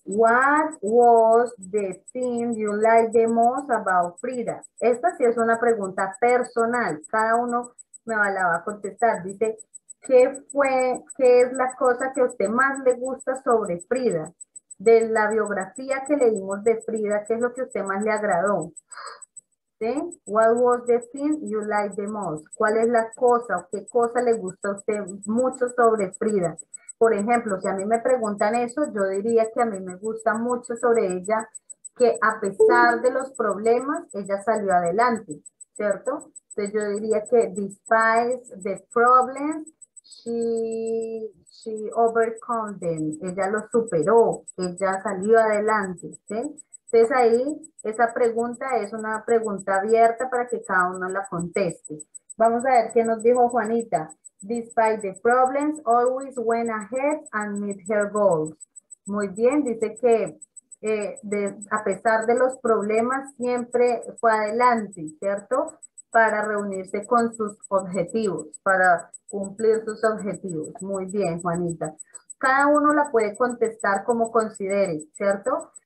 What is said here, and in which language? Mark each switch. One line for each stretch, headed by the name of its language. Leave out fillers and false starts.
English: What was the thing you liked the most about Frida?
Spanish: Esta sí es una pregunta personal. Cada uno me la va a contestar. Dice, ¿qué es la cosa que a usted más le gusta sobre Frida? De la biografía que leímos de Frida, ¿qué es lo que a usted más le agradó? ¿Sí?
English: What was the thing you liked the most?
Spanish: ¿Cuál es la cosa o qué cosa le gusta a usted mucho sobre Frida? Por ejemplo, si a mí me preguntan eso, yo diría que a mí me gusta mucho sobre ella que a pesar de los problemas, ella salió adelante, ¿cierto? Entonces yo diría que
English: despite the problems, she overcome them.
Spanish: Ella lo superó, ella salió adelante, ¿sí? Entonces ahí, esa pregunta es una pregunta abierta para que cada uno la conteste. Vamos a ver qué nos dijo Juanita.
English: Despite the problems, always went ahead and met her goals.
Spanish: Muy bien, dice que a pesar de los problemas, siempre fue adelante, ¿cierto? Para reunirse con sus objetivos, para cumplir sus objetivos. Muy bien, Juanita. Cada uno la puede contestar como considere, ¿cierto?